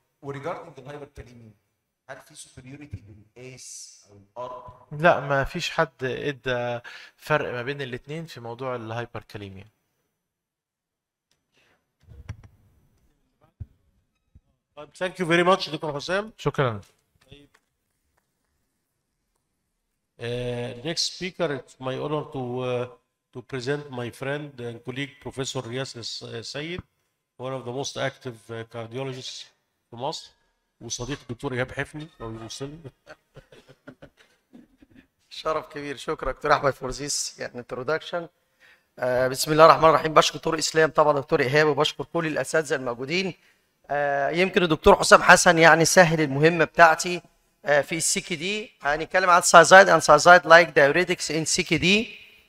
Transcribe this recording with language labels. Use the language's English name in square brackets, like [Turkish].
[Arabic] وريجاردنج الهايبر كاليمين، هل في سوبريوريتي بين الاس او الار؟ لا، ما فيش حد ادى فرق ما بين الاثنين في موضوع الهايبر كاليمين. طيب [English] thank you very much [Arabic] دكتور حسام. شكرا. [English] طيب next speaker it's my honor to present my friend and colleague professor رياس السيد، one of the most active cardiologists [Arabic] في مصر، وصديق الدكتور ايهاب حفني لو يوصلني. شرف كبير. شكرا دكتور احمد [English] For this introduction. [Arabic] بسم الله الرحمن الرحيم. بشكر دكتور اسلام طبعا، دكتور ايهاب، وبشكر كل الاساتذه الموجودين. يمكن الدكتور حسام حسن يعني سهل المهمه بتاعتي في السي كي دي، هنتكلم عن [English] Thiazide and thiazide like diuretics in C K D.